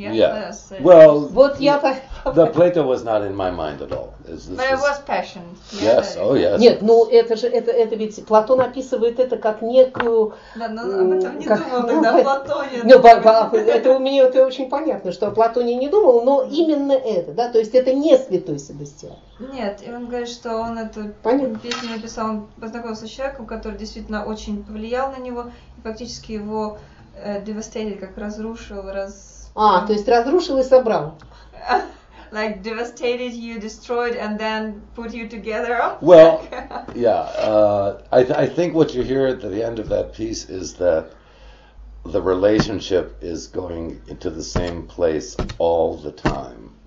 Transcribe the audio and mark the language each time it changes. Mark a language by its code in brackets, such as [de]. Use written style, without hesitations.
[en] The Plato was not in my mind at all. It was passion. Yes. Yeah. Oh, yes. [ru] Нет, ну это же это ведь Платон описывает это как некую. Да, но об этом не думал тогда Платоне. Нет, это у меня это очень понятно, что о Платоне не думал, но именно это, да, то есть это не святой Себастьян. Нет, и он говорит, что он эту песню написал, он познакомился с человеком, который действительно очень повлиял на него и фактически его devastated, как разрушил, раз... А, то есть разрушил и собрал. [en] Like devastated you, destroyed, and then put you together. Well, yeah, I think what you hear at the end of that piece is that the relationship is going into the same place all the time.